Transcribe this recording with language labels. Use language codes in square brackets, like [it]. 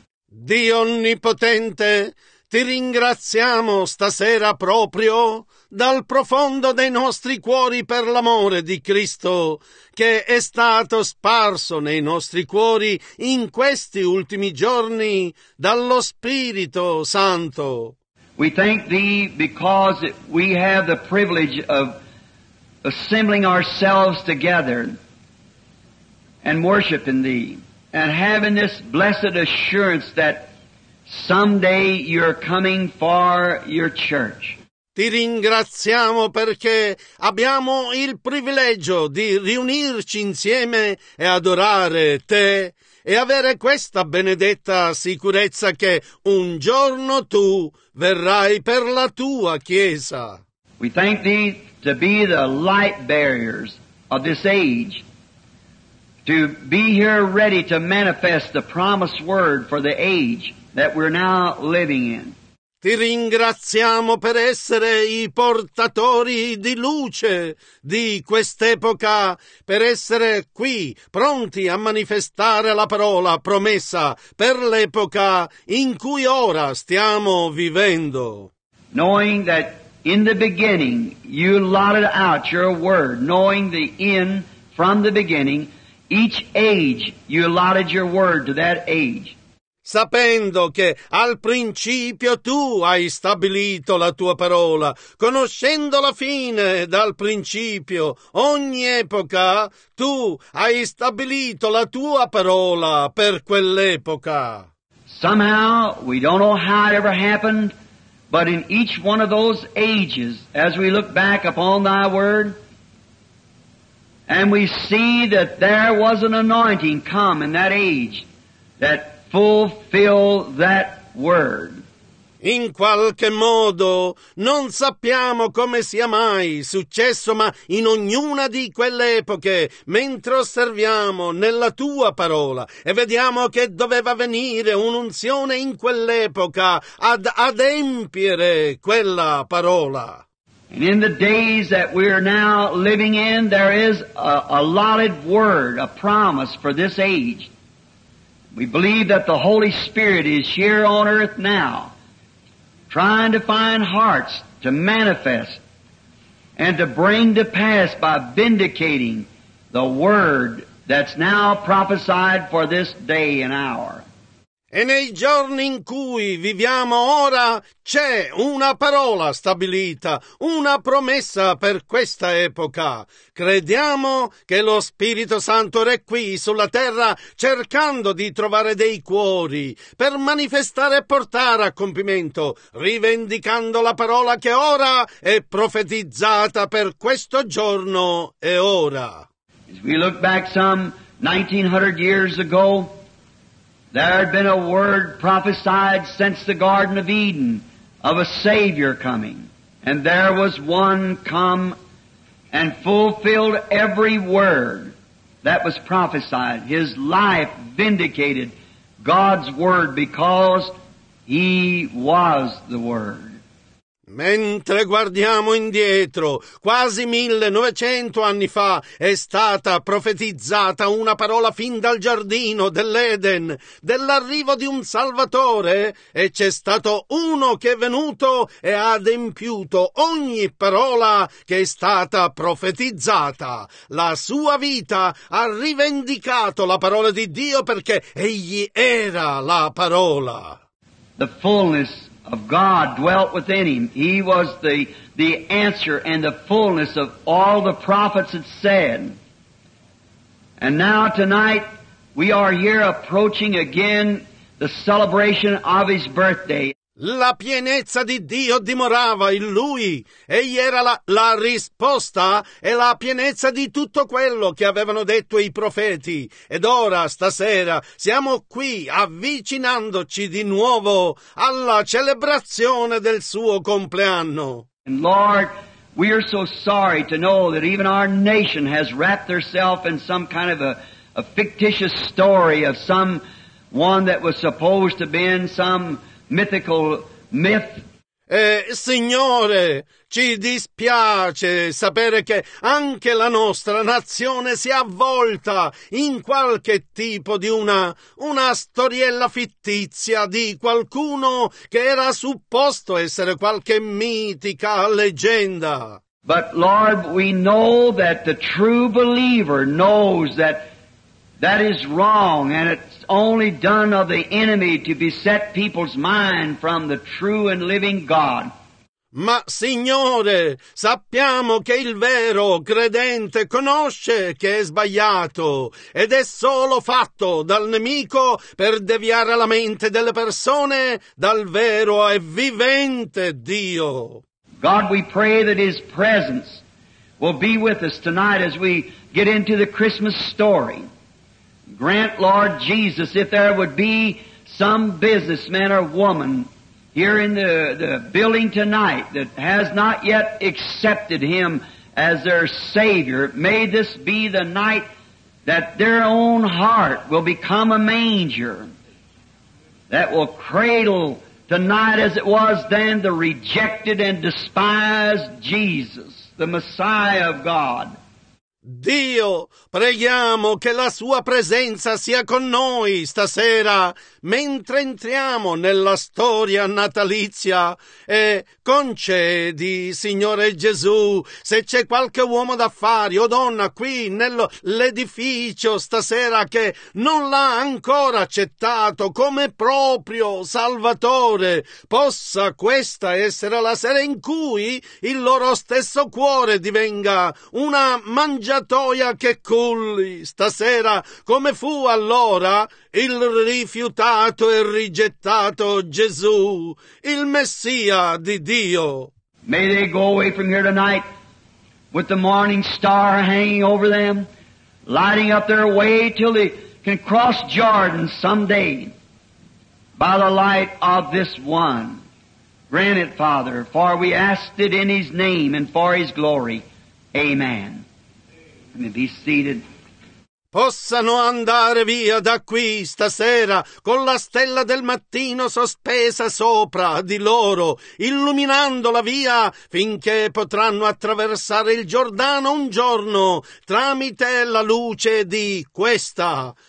[it] Dio Onnipotente, ti ringraziamo stasera proprio dal profondo dei nostri cuori per l'amore di Cristo che è stato sparso nei nostri cuori in questi ultimi giorni dallo Spirito Santo. [en] We thank Thee because we have the privilege of assembling ourselves together and worshiping Thee. And having this blessed assurance that someday you're coming for your church. [it] Ti ringraziamo perché abbiamo il privilegio di riunirci insieme e adorare te e avere questa benedetta sicurezza che un giorno tu verrai per la tua chiesa. [en] We thank thee to be the light bearers of this age. To be here ready to manifest the promised word for the age that we're now living in. [it] Ti ringraziamo per essere i portatori di luce di quest'epoca, per essere qui pronti a manifestare la parola promessa per l'epoca in cui ora stiamo vivendo. [en] Knowing that in the beginning you lotted out your word, knowing the end from the beginning, Each age you allotted your word to that age. [it] Sapendo che al principio tu hai stabilito la tua parola, conoscendo la fine dal principio, ogni epoca tu hai stabilito la tua parola per quell'epoca. [en] Somehow, we don't know how it ever happened, but in each one of those ages, as we look back upon Thy Word, and we see that there was an anointing come in that age that fulfilled that Word. [it] In qualche modo, non sappiamo come sia mai successo, ma in ognuna di quelle epoche, mentre osserviamo nella Tua parola e vediamo che doveva venire un'unzione in quell'epoca ad adempiere quella parola. [en] And in the days that we are now living in, there is an allotted word, a promise for this age. We believe that the Holy Spirit is here on earth now, trying to find hearts to manifest and to bring to pass by vindicating the word that's now prophesied for this day and hour. [it] E nei giorni in cui viviamo ora c'è una parola stabilita, una promessa per questa epoca. Crediamo che lo Spirito Santo è qui sulla terra cercando di trovare dei cuori per manifestare e portare a compimento, rivendicando la parola che ora è profetizzata per questo giorno e ora. [en] As we look back some 1900 years ago, there had been a word prophesied since the Garden of Eden of a Savior coming. And there was one come and fulfilled every word that was prophesied. His life vindicated God's Word because He was the Word. [it] Mentre guardiamo indietro, quasi 1900 anni fa è stata profetizzata una parola fin dal giardino dell'Eden, dell'arrivo di un Salvatore, e c'è stato uno che è venuto e ha adempiuto ogni parola che è stata profetizzata. La sua vita ha rivendicato la parola di Dio perché egli era la parola. [en] The fullness of God dwelt within him. He was the answer and the fullness of all the prophets had said. And now tonight we are here approaching again the celebration of his birthday. [it] La pienezza di Dio dimorava in lui. Egli era la risposta e la pienezza di tutto quello che avevano detto i profeti. Ed ora, stasera, siamo qui avvicinandoci di nuovo alla celebrazione del suo compleanno. [en] And Lord, we are so sorry to know that even our nation has wrapped herself in some kind of a fictitious story of some one that was supposed to be in some mythical myth. [it] Signore, ci dispiace sapere che anche la nostra nazione si è avvolta in qualche tipo di una storiella fittizia di qualcuno che era supposto essere qualche mitica leggenda. [en] But Lord, we know that the true believer knows that is wrong, and it's only done of the enemy to beset people's mind from the true and living God. [it] Ma, Signore, sappiamo che il vero credente conosce che è sbagliato ed è solo fatto dal nemico per deviare la mente delle persone dal vero e vivente Dio. [en] God, we pray that His presence will be with us tonight as we get into the Christmas story. Grant, Lord Jesus, if there would be some businessman or woman here in the building tonight that has not yet accepted Him as their Savior, may this be the night that their own heart will become a manger that will cradle tonight as it was then the rejected and despised Jesus, the Messiah of God. [it] Dio, preghiamo che la Sua presenza sia con noi stasera, mentre entriamo nella storia natalizia, e concedi, Signore Gesù, se c'è qualche uomo d'affari o donna qui nell'edificio stasera che non l'ha ancora accettato come proprio Salvatore, possa questa essere la sera in cui il loro stesso cuore divenga una mangiatoia mangiatoia che culli. Stasera, come fu allora, il rifiutato e rigettato Gesù, il Messia di Dio. [en] May they go away from here tonight with the morning star hanging over them, lighting up their way till they can cross Jordan someday by the light of this one. Grant it, Father, for we asked it in His name and for His glory. Amen. Let me be seated. [it] Possano andare via da qui stasera con la stella del mattino sospesa sopra di loro, illuminando la via finché potranno attraversare il Giordano un giorno tramite la luce di questa.